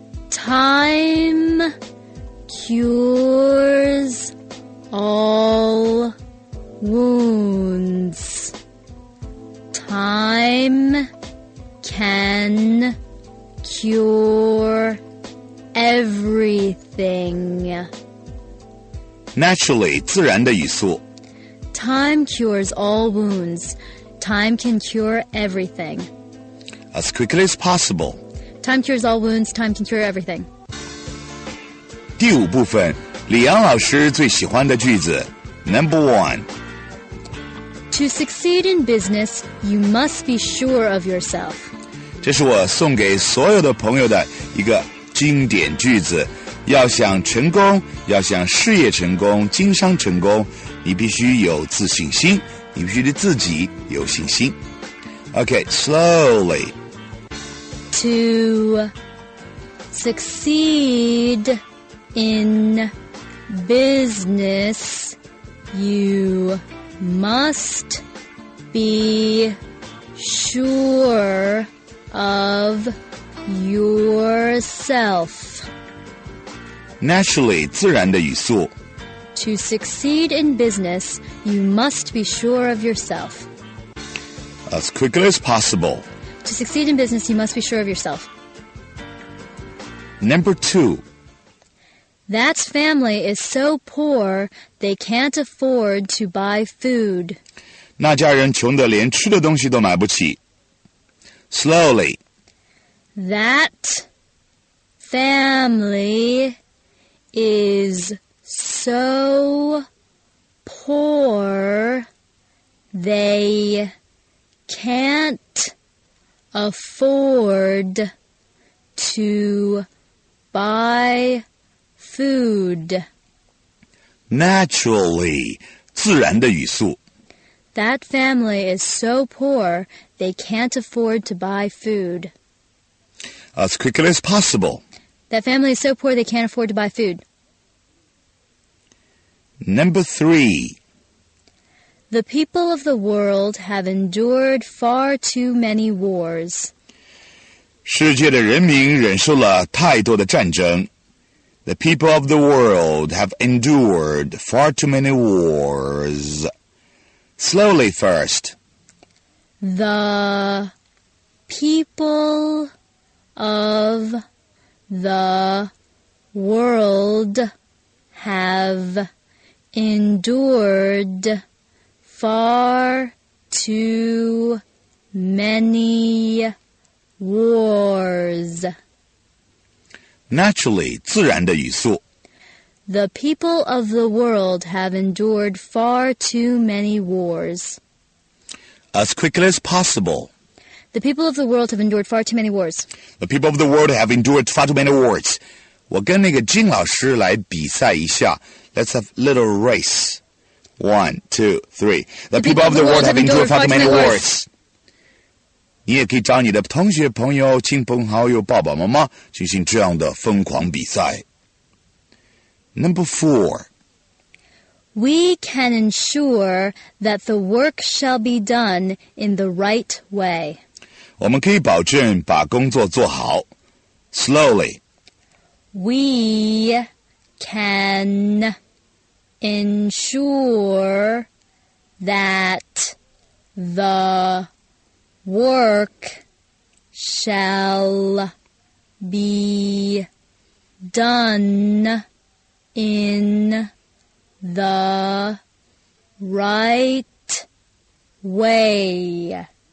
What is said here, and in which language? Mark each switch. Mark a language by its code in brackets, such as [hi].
[en] Time cures all wounds. Time can cure everything. Naturally, [zh] 自然的语速。 [en] Time cures all wounds. Time can cure everything. As quickly as possible. Time cures all wounds. Time can cure everything. [zh] 第五部分，李阳老师最喜欢的句子 [en] Number 1. To succeed in business, you must be sure of yourself. [zh] 这是我送给所有的朋友的一个经典句子。要想成功，要想事业成功，经商成功，你必须有自信心，你必须对自己有信心。 [en] Okay, slowly. To succeed in business, you must be sure of yourself. Naturally, [zh] 自然的语速。 [en] To succeed in business, you must be sure of yourself. As quickly as possible. To succeed in business, you must be sure of yourself. Number 2. That family is so poor, they can't afford to buy food. [zh] 那家人穷得连吃的东西都买不起。 [en] Slowly. That family is so poor, theycan't afford to buy food. Naturally, [zh] 自然的语速。 [en] That family is so poor, they can't afford to buy food. As quickly as possible. That family is so poor, they can't afford to buy food. Number 3. The people of the world have endured far too many wars. [zh] 世界的人民忍受了太多的战争。 [en] The people of the world have endured far too many wars. Slowly first. The people of the world have endured... far too many wars. Naturally, [zh] 自然的语速。 [en] The people of the world have endured far too many wars. As quickly as possible. The people of the world have endured far too many wars. The people of the world have endured far too many wars. [zh] 我跟那个金老师来比赛一下。 [en] Let's have a little race. 1, 2, 3. The people of the world have endured far too many wars. [zh] 你也可以找你的同学朋友亲朋好友爸爸妈妈进行这样的疯狂比赛。 [en] Number four. We can ensure that the work shall be done in the right way. [zh] 我们可以保证把工作做好。 [en] Slowly. We can ensure that the work shall be done in the right way.